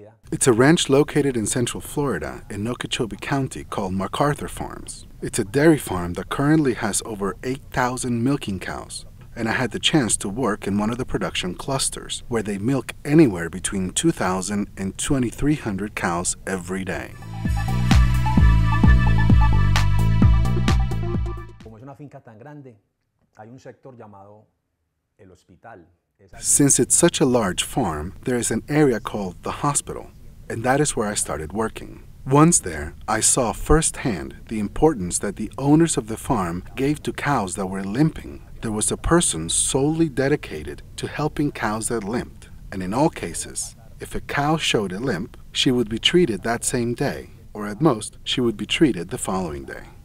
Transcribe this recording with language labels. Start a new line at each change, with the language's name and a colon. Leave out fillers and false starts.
English: It's a ranch located in central Florida in Okeechobee County called MacArthur Farms. It's a dairy farm that currently has over 8,000 milking cows, and I had the chance to work in one of the production clusters where they milk anywhere between 2,000 and 2,300 cows every day.
Spanish: Como es una finca tan grande, hay un sector llamado el hospital.
English: Since it's such a large farm, there is an area called the hospital, and that is where I started working. Once there, I saw firsthand the importance that the owners of the farm gave to cows that were limping. There was a person solely dedicated to helping cows that limped, and in all cases, if a cow showed a limp, she would be treated that same day, or at most, she would be treated the following day.